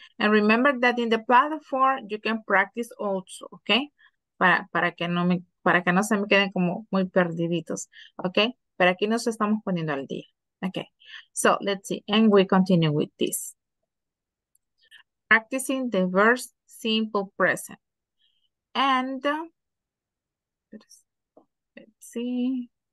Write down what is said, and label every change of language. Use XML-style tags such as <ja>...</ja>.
<en>And remember that in the platform, you can practice also, okay?</en> <es>Para que no se me queden como muy perdiditos, okay? Pero aquí nos estamos poniendo al día.</es> <en>Okay, so let's see, and we continue with this. Practicing the verse simple present. And let's see.</en>